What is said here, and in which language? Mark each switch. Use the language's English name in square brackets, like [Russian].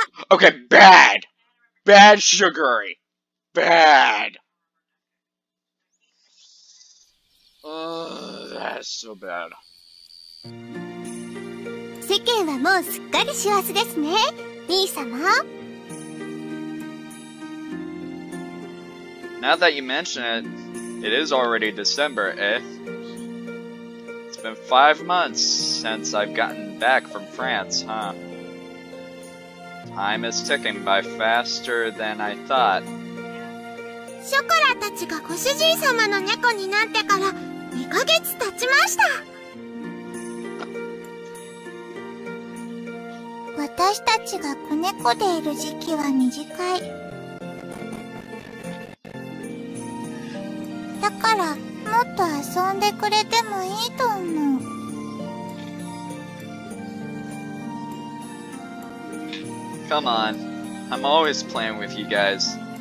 [English] Okay, bad! Bad sugary! Bad! Ugh, that's so bad. [Japanese] 世間はもうすっかり師走ですね、兄様。 [English] Now that you mention it, it is already December, eh? It's been 5 months since I've gotten back from France, huh? Time is ticking by faster than I thought. [Japanese] ショコラたちがご主人様の猫になってから2ヶ月経ちました。私たちが子猫でいる時期は短い。だからもっと遊んでくれてもいいと思う。 [English] Come on, I'm always playing with you guys.